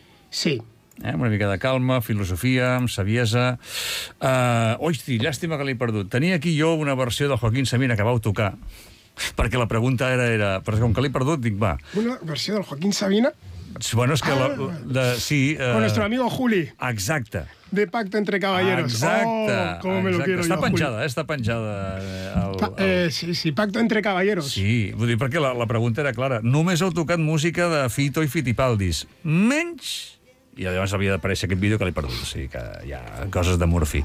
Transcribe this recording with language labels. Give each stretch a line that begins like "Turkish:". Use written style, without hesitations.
Catalan: Sí. Una mica de calma, filosofia, amb saviesa... Hosti, llàstima que l'he perdut. Tenia aquí jo una versió del Joaquín Sabina que vau tocar, perquè la pregunta era... Però com que l'he perdut, dic, va... Una versió del Joaquín Sabina? Bueno, és que...
Spanish: Con nuestro amigo Juli.
Catalan: Exacte.
Spanish: De Pacto entre Caballeros.
Catalan: Exacte.
Spanish: Oh, como me lo quiero
Catalan: està
Spanish: yo,
Catalan: penjada, Juli. Està penjada. Sí, Pacto entre Caballeros. Sí, vull dir, perquè la pregunta era clara. Només heu tocat música de Fito i Fittipaldis. Menys... I llavors havia d'aparèixer aquest vídeo que l'he perdut. O sigui que hi ha coses de Murphy.